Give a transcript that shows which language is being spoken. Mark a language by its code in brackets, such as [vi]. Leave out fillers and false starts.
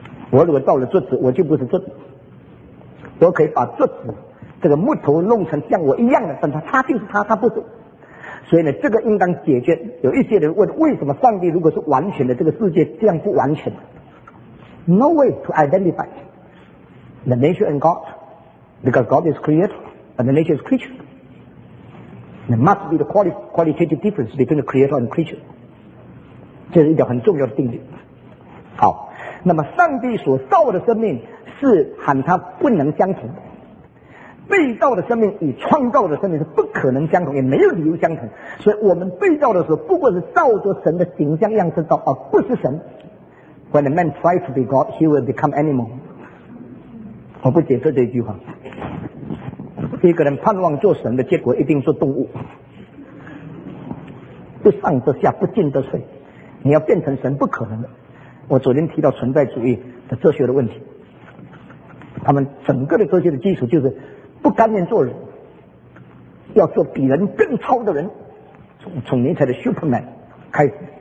[zh] 我如果造了桌子，我就不是桌子，我可以把桌子这个木头弄成像我一样的，但它就是它，它不是。所以呢，这个应当解决。有一些人问，为什么上帝如果是完全的，这个世界这样不完全？ [en] No way to identify the nature and God, because God is creator and the nature is creature. There must be the qualitative difference between the creator and creature. [zh] 这是一条很重要的定律。好，那么上帝所造的生命是喊他不能相同的，被造的生命与创造的生命是不可能相同，也没有理由相同。所以我们被造的时候，不过是照着神的形象样式造，而不是神。 [en] When a man tries to be God, he will become animal。 [zh] 我不解释这句话。一个人盼望做神的结果一定是动物，不上得下，不进得水，你要变成神不可能的。我昨天提到存在主义的哲学的问题，他们整个的哲学的基础就是不甘愿做人，要做比人更超的人，从尼采的 Superman 开始。